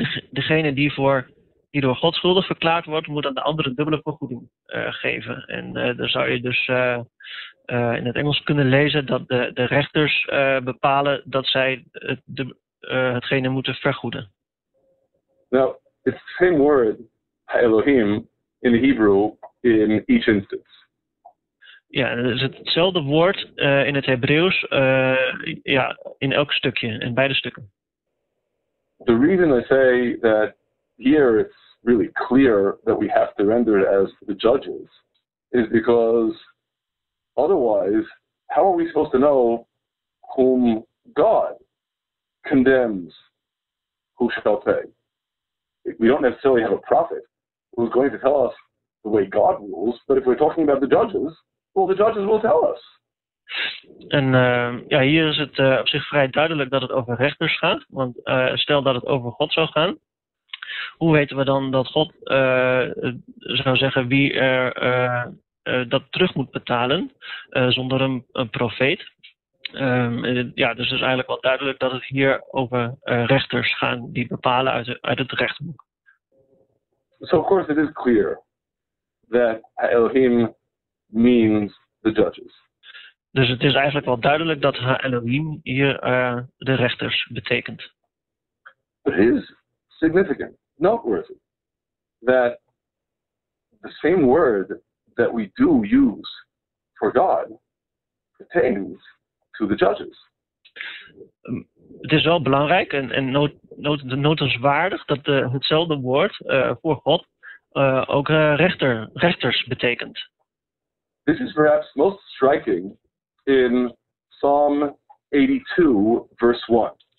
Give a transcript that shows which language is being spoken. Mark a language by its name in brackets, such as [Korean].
[Dutch] Degene die die door God schuldig verklaard wordt, moet aan de andere dubbele vergoeding geven. En dan zou je dus in het Engels kunnen lezen dat de rechters bepalen dat zij hetgene moeten vergoeden. [English] Nou, it's the same word, Elohim, in Hebrew, in each instance. [Dutch] Ja, het is hetzelfde woord in het Hebreeuws, ja, in elk stukje, in beide stukken. [English] The reason I say that here it's really clear that we have to render it as the judges is because otherwise, how are we supposed to know whom God condemns, who shall pay? We don't necessarily have a prophet who's going to tell us the way God rules, but if we're talking about the judges, well, the judges will tell us. [Dutch] En ja, hier is het op zich vrij duidelijk dat het over rechters gaat, want stel dat het over God zou gaan, hoe weten we dan dat God zou zeggen wie er dat terug moet betalen zonder een profeet? Ja, dus het is eigenlijk wel duidelijk dat het hier over rechters gaan die bepalen uit het rechtboek. [English] So of course it is clear that Elohim means the judges. [Dutch] Dus het is eigenlijk wel duidelijk dat Elohim hier de rechters betekent. [English] But it is significant, noteworthy, that the same word that we do use for God pertains to the judges. [Dutch] Het is wel belangrijk en notenswaardig dat hetzelfde woord voor God ook rechters betekent. [English] This is perhaps most striking in Psalm 82, verse 1.